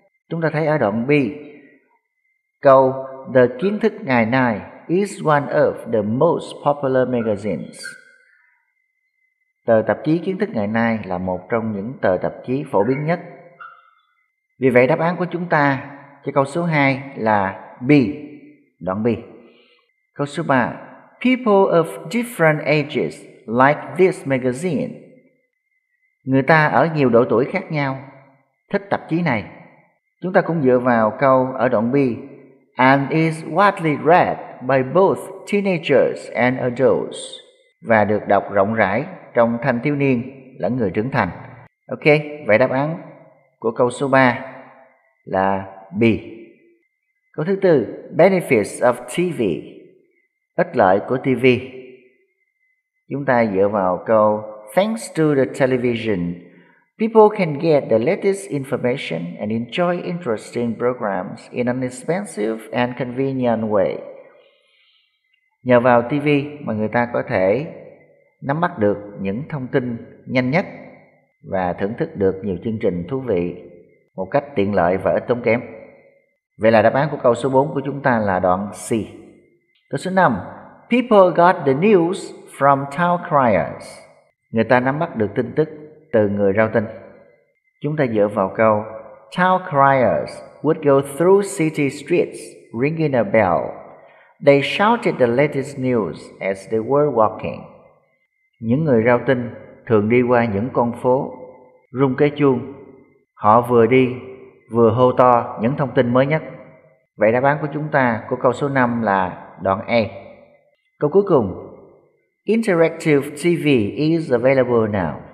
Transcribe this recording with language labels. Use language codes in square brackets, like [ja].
[vi] Chúng ta thấy ở đoạn B, câu [en] The Kiến Thức Ngày Nay is one of the most popular magazines. [vi] Tờ tạp chí Kiến Thức Ngày Nay là một trong những tờ tạp chí phổ biến nhất. Vì vậy đáp án của chúng ta cho câu số 2 là B, đoạn B. Câu số 3, [en] people of different ages like this magazine. [vi] Người ta ở nhiều độ tuổi khác nhau thích tạp chí này. Chúng ta cũng dựa vào câu ở đoạn B, [en] and is widely read by both teenagers and adults, [vi] và được đọc rộng rãi trong thanh thiếu niên lẫn người trưởng thành. Ok, vậy đáp án của câu số 3 là B. Câu thứ 4, [en] benefits of TV, [vi] ích lợi của TV. Chúng ta dựa vào câu [en] thanks to the television, people can get the latest information and enjoy interesting programs in an expensive and convenient way. [vi] Nhờ vào TV mà người ta có thể nắm bắt được những thông tin nhanh nhất và thưởng thức được nhiều chương trình thú vị một cách tiện lợi và ít tốn kém. Vậy là đáp án của câu số 4 của chúng ta là đoạn C. Câu số 5, [en] people got the news from town criers. [vi] Người ta nắm bắt được tin tức từ người rao tin. Chúng ta dựa vào câu [en] town criers would go through city streets ringing a bell. They shouted the latest news as they were walking. [vi] Những người rao tin thường đi qua những con phố rung cái chuông. Họ vừa đi vừa hô to những thông tin mới nhất. Vậy đáp án của chúng ta của câu số 5 là đoạn A. Câu cuối cùng, [en] interactive TV is available now.